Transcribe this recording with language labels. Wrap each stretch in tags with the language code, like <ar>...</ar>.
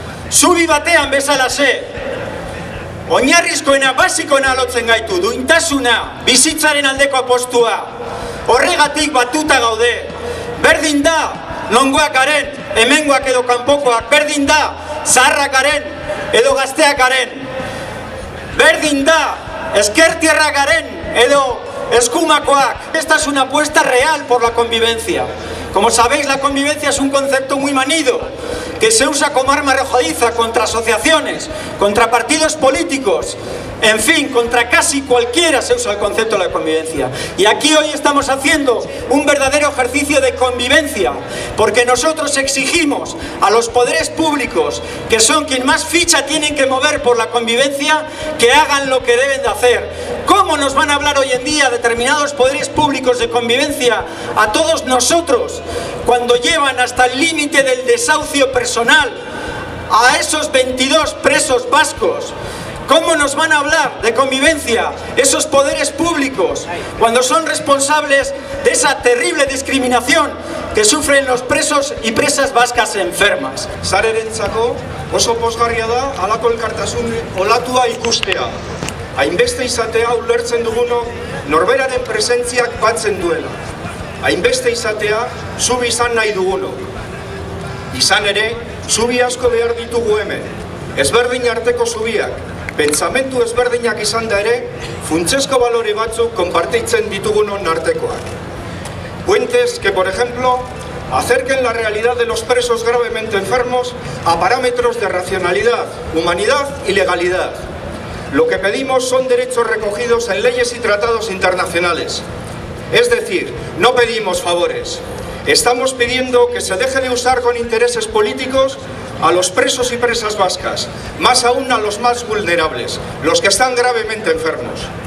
<eu>Zubi batean bezalaxe, oinarrizkoena, basikoena lotzen gaitu, duintasuna, bizitzaren aldeko apostua. Horregatik batuta gaude, berdin da, nongoak garen, hemengoak edo kanpokoak, berdin da, zaharrak garen, edo gazteak garen, berdin da, ezkertierra garen, edo eskumakoak.</eu> <es>Esta es una apuesta real por la convivencia. Como sabéis, la convivencia es un concepto muy manido, que se usa como arma arrojadiza contra asociaciones, contra partidos políticos, en fin, contra casi cualquiera se usa el concepto de la convivencia. Y aquí hoy estamos haciendo un verdadero ejercicio de convivencia, porque nosotros exigimos a los poderes públicos, que son quien más ficha tienen que mover por la convivencia, que hagan lo que deben de hacer. ¿Cómo nos van a hablar hoy en día determinados poderes públicos de convivencia a todos nosotros cuando llevan hasta el límite del desahucio personal a esos 22 presos vascos? ¿Cómo nos van a hablar de convivencia esos poderes públicos cuando son responsables de esa terrible discriminación que sufren los presos y presas vascas enfermas?</es> <eu>Sarerentzako oso pozgarria da halako elkartasun olatua ikustea. Hainbeste izatea ulertzen duguno norberaren presentziak batzen duela. Hainbeste izatea zubi izan nahi duguno. Izan ere, zubi asko behar ditugu hemen. Ezberdin arteko zubiak, pentsamentu ezberdinak izan da ere, funtsezko balore batzuk konpartitzen ditugunon artekoak.</eu> <es>Puentes que, por ejemplo, acerquen la realidad de los presos gravemente enfermos a parámetros de racionalidad, humanidad y legalidad. Lo que pedimos son derechos recogidos en leyes y tratados internacionales. Es decir, no pedimos favores. Estamos pidiendo que se deje de usar con intereses políticos a los presos y presas vascas, más aún a los más vulnerables, los que están gravemente enfermos.</es>